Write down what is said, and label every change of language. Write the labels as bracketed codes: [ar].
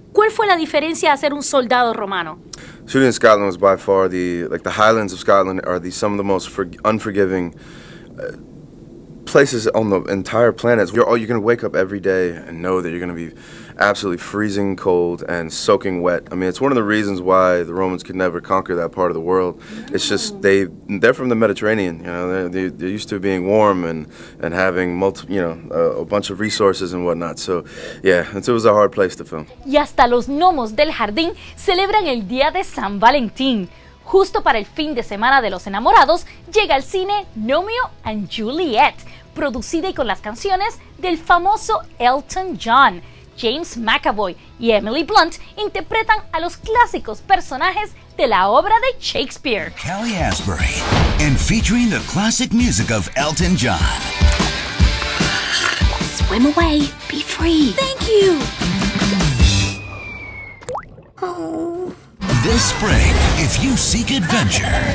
[es] ¿Cuál fue la diferencia de ser un soldado romano? [en] Shooting in Scotland was by far the, like the highlands of Scotland are the, some of the most unforgiving places on the entire planet. You're going to wake up every day and know that you're going to be absolutely freezing cold and soaking wet. I mean, it's one of the reasons why the Romans could never conquer that part of the world. It's just they're from the Mediterranean, you know, they're used to being warm and having a bunch of resources and whatnot. So, yeah, it was a hard place to film. [es] Y hasta los gnomos del jardín celebran el día de San Valentín. Justo para el fin de semana de los enamorados, llega al cine Romeo and Juliet, producida y con las canciones del famoso Elton John. James McAvoy y Emily Blunt interpretan a los clásicos personajes de la obra de Shakespeare. [en] Kelly Asbury, and featuring the classic music of Elton John. Swim away, be free. Thank you. This spring, if you seek adventure...